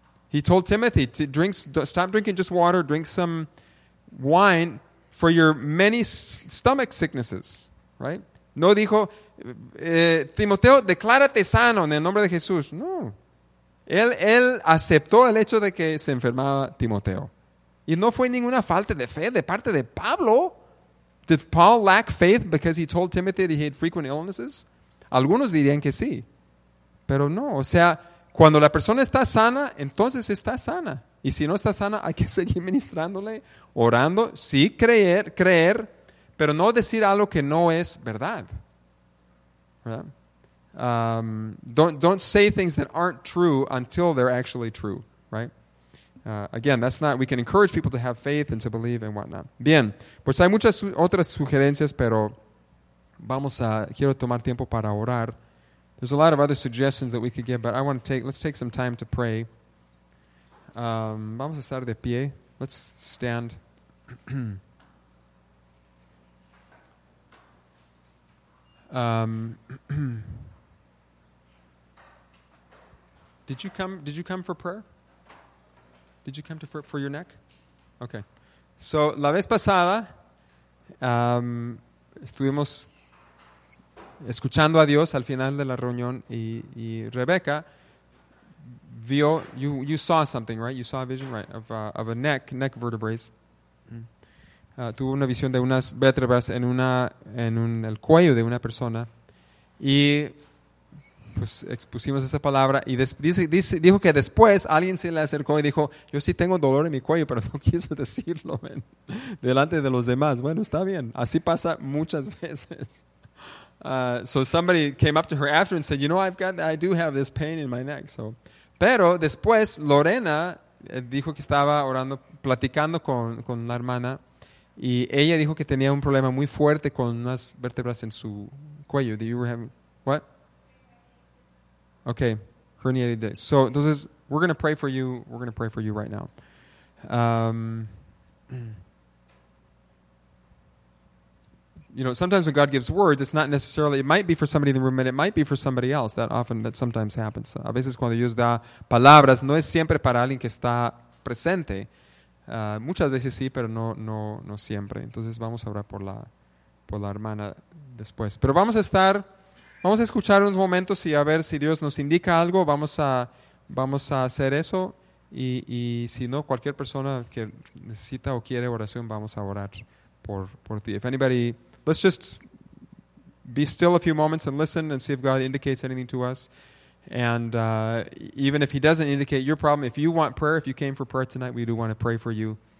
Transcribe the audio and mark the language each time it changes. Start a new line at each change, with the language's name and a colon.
English: He told Timothy, stop drinking just water, drink some wine for your many stomach sicknesses. Right?
Spanish: No dijo, Timoteo, declárate sano en el nombre de Jesús. No. Él aceptó el hecho de que se enfermaba Timoteo. Y no fue ninguna falta de fe de parte de Pablo.
English: Did Paul lack faith because he told Timothy that he had frequent illnesses?
Spanish: Algunos dirían que sí. Pero no. O sea, cuando la persona está sana, entonces está sana. Y si no está sana, hay que seguir ministrándole, orando. Sí, creer, pero no decir algo que no es verdad. ¿Verdad?
English: Don't say things that aren't true until they're actually true, right? Again, that's not, we can encourage people to have faith and to believe and whatnot.
Spanish: Bien, pues hay muchas otras sugerencias, pero quiero tomar tiempo para orar.
English: There's a lot of other suggestions that we could give, but I want to take, let's take some time to pray.
Spanish: Vamos a estar de pie.
English: Let's stand. Did you come for prayer? Did you come for your neck? Okay.
Spanish: So, la vez pasada, estuvimos escuchando a Dios al final de la reunión y Rebecca vio,
English: you saw something, right? You saw a vision, right, of a neck vertebrae.
Spanish: Tuvo una visión de unas vértebras en el cuello de una persona. Y pues expusimos esa palabra y dijo que después alguien se le acercó y dijo, yo sí tengo dolor en mi cuello, pero no quiso decirlo, man, delante de los demás. Bueno, está bien, así pasa muchas veces.
English: So somebody came up to her after and said, you know, I do have this pain in my neck.
Spanish: So, pero después Lorena dijo que estaba orando, platicando con la hermana, y ella dijo que tenía un problema muy fuerte con unas vértebras en su cuello.
English: Do you have what? Okay, herniated disc. So, entonces, we're going to pray for you. We're going to pray for you right now. You know, sometimes when God gives words, it's not necessarily, it might be for somebody in the room, but it might be for somebody else. That sometimes happens.
Spanish: A veces cuando Dios da palabras, no es siempre para alguien que está presente. Muchas veces sí, pero no siempre. Entonces, vamos a orar por la hermana después. Pero vamos a estar... Vamos a escuchar unos momentos y a ver si Dios nos indica algo. Vamos a hacer eso. Y si no, cualquier persona que necesita o quiere oración, vamos a orar por ti.
English: If anybody, let's just be still a few moments and listen and see if God indicates anything to us. And even if he doesn't indicate your problem, if you want prayer, if you came for prayer tonight, we do want to pray for you.